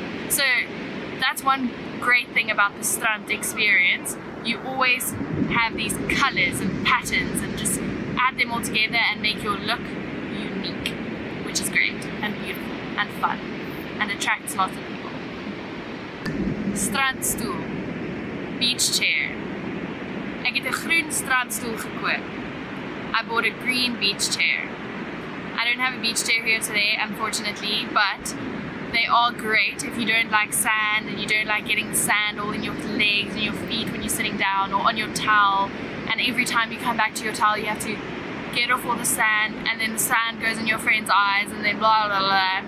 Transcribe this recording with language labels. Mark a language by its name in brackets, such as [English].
[English] So that's one great thing about the strand experience. You always have these colors and patterns and just add them all together and make your look unique, which is great and beautiful and fun and attracts lots of people. Strandstoel, beach chair. [Afrikaans] Ek het 'n groen strandstoel gekoop. [English] I bought a green beach chair. I don't have a beach chair here today, unfortunately, but they are great if you don't like sand and you don't like getting sand all in your legs and your feet when you're sitting down or on your towel. And every time you come back to your towel, you have to get off all the sand and then the sand goes in your friend's eyes and then blah, blah, blah.